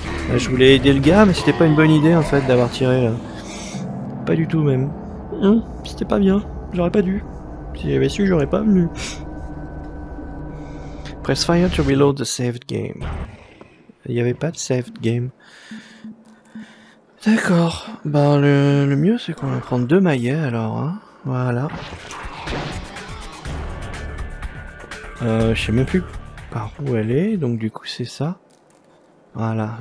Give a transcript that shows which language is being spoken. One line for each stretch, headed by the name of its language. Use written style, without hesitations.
French: Là, je voulais aider le gars, mais c'était pas une bonne idée, en fait, d'avoir tiré, là. Pas du tout, même. C'était pas bien. J'aurais pas dû. Si j'avais su, j'aurais pas venu.
English: Press fire to reload the saved game.
French: Il n'y avait pas de saved game. D'accord. Ben, le mieux, c'est qu'on va prendre deux maillets, alors. Hein. Voilà. Je sais même plus par où elle est. Donc, du coup, c'est ça. Voilà.